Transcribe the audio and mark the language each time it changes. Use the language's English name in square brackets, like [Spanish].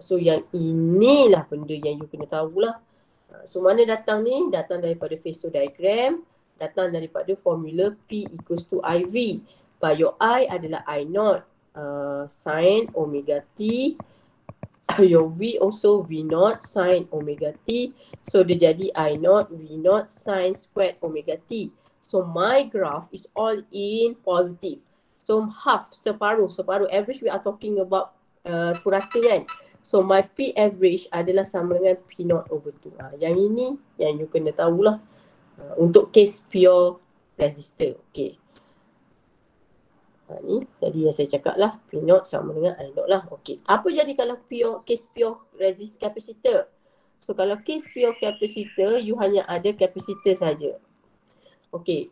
[Malay] So yang inilah benda yang you kena tahulah. So, mana datang ni? Datang daripada phasor diagram. Datang daripada formula P equals to IV. [English] But your I adalah I naught sin omega T. Your V also V naught sin omega T. So, [Malay] dia jadi [English] I naught V naught sin squared omega T. So, my graph is all in positive. So, half, separuh. Separuh average we are talking about purata kan? So my P average [Malay] adalah sama dengan [English] P naught over 2. [Malay] Yang ini yang you kena tahulah untuk case pure resistor. [English] Okay. [Malay] Ni tadi yang saya cakap lah P naught sama dengan I naught lah. Okay. Apa jadi kalau pure case pure resistor capacitor? So kalau case pure capacitor, you hanya ada capacitor saja. Okay.